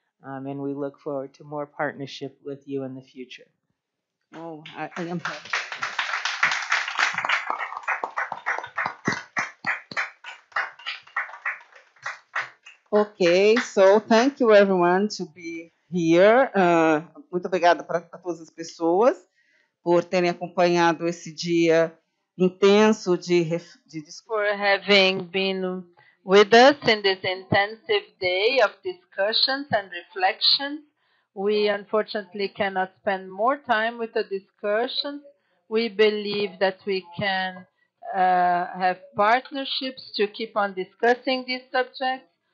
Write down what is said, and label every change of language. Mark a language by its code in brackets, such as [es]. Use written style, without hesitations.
[en] And we look forward to more partnership with you in the future. Oh, I am happy. Okay, so thank you everyone to be here. [pt] Muito obrigada para todas as pessoas por terem acompanhado esse dia intenso de discussão. [en] For having been with us in this intensive day of discussions and reflections. We unfortunately cannot spend more time with the discussions. We believe that we can have partnerships to keep on discussing these subjects.